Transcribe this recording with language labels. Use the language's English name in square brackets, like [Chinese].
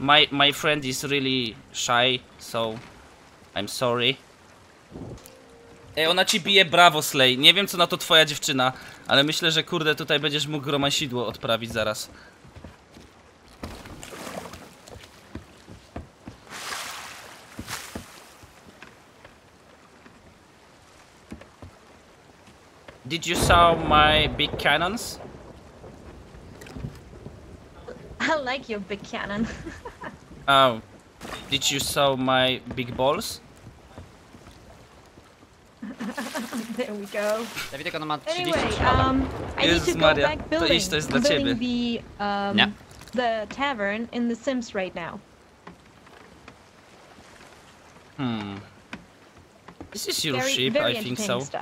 [English] My friend is really shy, so I'm sorry. [Polish] Ej, ona ci bije, brawo Slay. Nie wiem, co na to twoja dziewczyna. Ale myślę, że kurde, tutaj będziesz mógł gromasidło odprawić zaraz. [English] Did you saw my big cannons? I like your big cannon. Oh, did you saw my big balls? There we go. [Polish] Dawidek, ona ma 30 lat. Jezus Maria, to iść, to jest dla ciebie. [English] The tavern in The Sims right now. This is your ship, I think so.